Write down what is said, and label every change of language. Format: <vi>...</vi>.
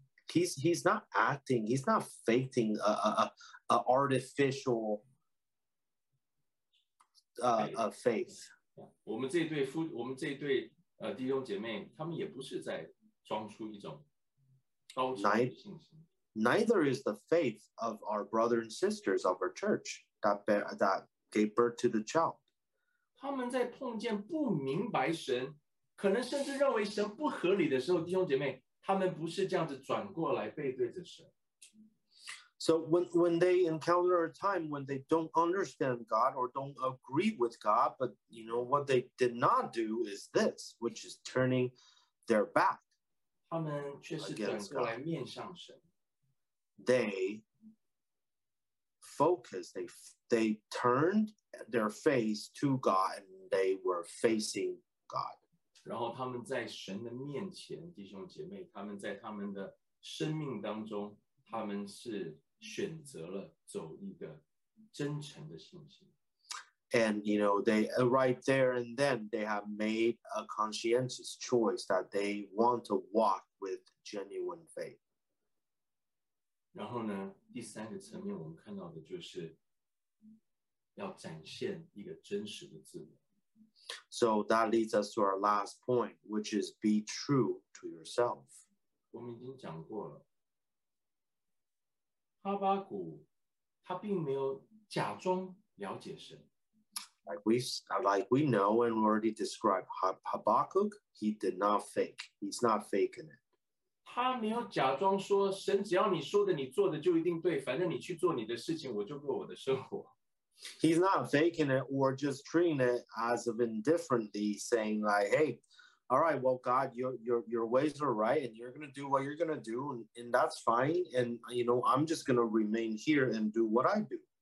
<en>He's not acting, he's not faking a artificial a faith.</en> <zh>我们这对夫，我们这对弟兄姐妹，他们也不是在装出一种高超的信心。</zh> <en>neither is the faith of our brothers and sisters of our church that gave birth to the child.</en> <zh>他们在碰见不明白神，可能甚至认为神不合理的时候，弟兄姐妹，他们不是这样子转过来背对着神。</zh> <en>So when they encounter a time when they don't understand God or don't agree with God, but you know what they did not do is this, which is turning their back.</en> <zh>他们却是转过来面向神。</zh> <en>They focused, they turned their face to God and they were facing God.</en> <zh>然后他们在神的面前，弟兄姐妹，他们在他们的生命当中，他们是选择了走一个真诚的信心。</zh> <en>And you know, they right there and then they have made a conscientious choice that they want to walk with genuine faith.</en> <zh>然后呢，第三个层面我们看到的就是要展现一个真实的自我。</zh> <en>So that leads us to our last point, which is be true to yourself.</en> <zh>我们已经讲过了。哈巴谷他并没有假装了解神。</zh> <en>Like we know and already described, Habakkuk, he did not fake. He's not faking it.</en> <zh>他没有假装说神只要你说的你做的就一定对，反正你去做你的事情，我就过我的生活。</zh> <en>He's not faking it or just treating it as of indifferently, saying like, hey, all right, well, God, your ways are right, and you're going to do what you're going to do, and that's fine, and, you know, I'm just going to remain here and do what I do.</en>